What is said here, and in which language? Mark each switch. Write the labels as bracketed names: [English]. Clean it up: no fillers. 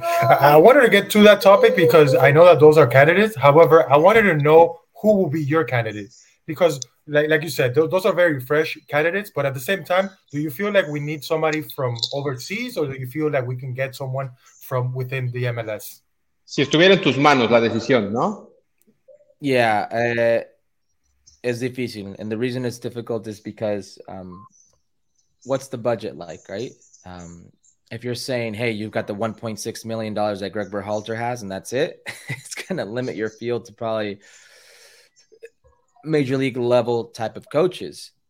[English] I wanted to get to that topic because I know that those are candidates. However, I wanted to know who will be your candidate? Because like you said, those are very fresh candidates. But at the same time, do you feel like we need somebody from overseas or do you feel like we can get someone from within the MLS? [Spanish] Si estuviera en tus manos la decisión, ¿no? [English] Yeah, it's difícil. And the reason it's difficult is because what's the budget like, right? If you're saying, hey, you've got the $1.6 million that Greg Berhalter has and that's it, it's going to limit your field to probably Major League level type of coaches.